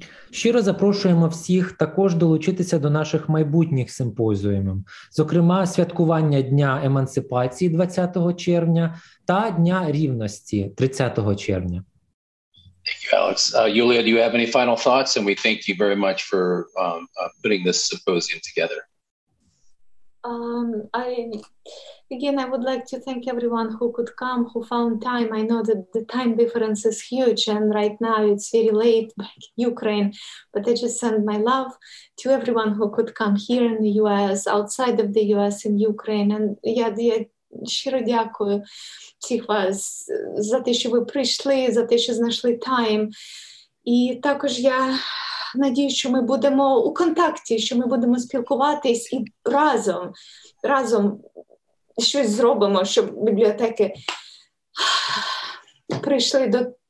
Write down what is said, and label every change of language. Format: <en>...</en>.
<uk>Щиро запрошуємо всіх також долучитися до наших майбутніх симпозіумів, зокрема святкування Дня Емансипації 20 червня та Дня Рівності 30 червня.</uk> <en>Thank you, Alex. Yulia, do you have any final thoughts? And we thank you very much for putting this symposium together. I would like to thank everyone who could come, who found time. I know that the time difference is huge, and right now it's very late back in Ukraine, but I just send my love to everyone who could come here in the US, outside of the US, in Ukraine. And yeah,</en> <uk>щиро дякую всіх вас за те, що ви прийшли, за те, що знайшли тайм. І також я надіюсь, що ми будемо у контакті, що ми будемо спілкуватись і разом щось зробимо, щоб бібліотеки прийшли до...</uk>